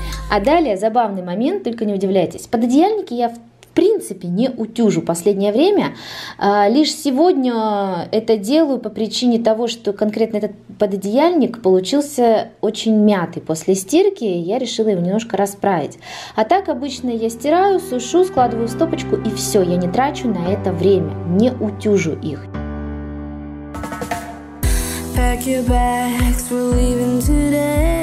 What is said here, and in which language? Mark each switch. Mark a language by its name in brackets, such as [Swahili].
[Russian] А далее забавный момент, только не удивляйтесь. Пододеяльники я, в принципе, не утюжу последнее время. Лишь сегодня это делаю по причине того, что конкретно этот пододеяльник получился очень мятый после стирки, и я решила его немножко расправить. А так обычно я стираю, сушу, складываю в стопочку, и все, я не трачу на это время, не утюжу их. [English] Pack your bags, we're leaving today.